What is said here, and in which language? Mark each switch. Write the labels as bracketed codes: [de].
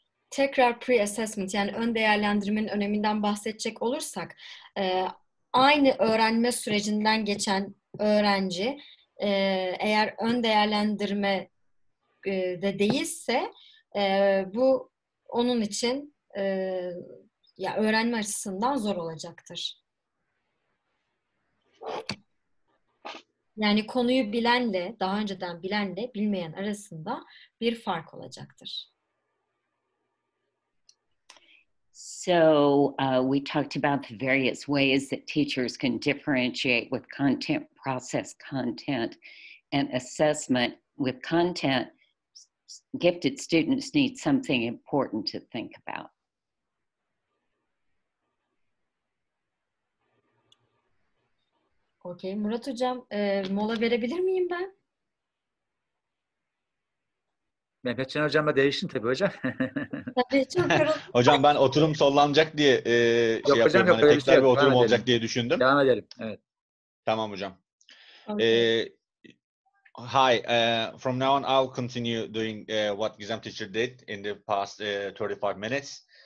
[tr] Tekrar pre-assessment, yani ön değerlendirmenin öneminden bahsedecek olursak, aynı öğrenme sürecinden geçen öğrenci eğer ön değerlendirme de değilse, bu onun için ya öğrenme açısından zor olacaktır. Yani konuyu bilenle, daha önceden bilenle bilmeyen arasında bir fark olacaktır. [en] So we talked about the various ways that teachers can differentiate with content, process content, and assessment. With content, gifted students need something important to think about. [tr] Okay, Murat Hocam, mola verebilir miyim ben? Mehmetcan Hocam'la değişsin tabii hocam. Tabii çok yorulduk. Hocam ben oturum sollanacak diye yok, şey hocam, yapıyorum. Yok, hani tekrar bir oturum olacak diye düşündüm. Devam edelim. Evet. Tamam hocam. Okay. [en] Hi, from now on I'll continue doing what Gizem teacher did in the past 35 minutes.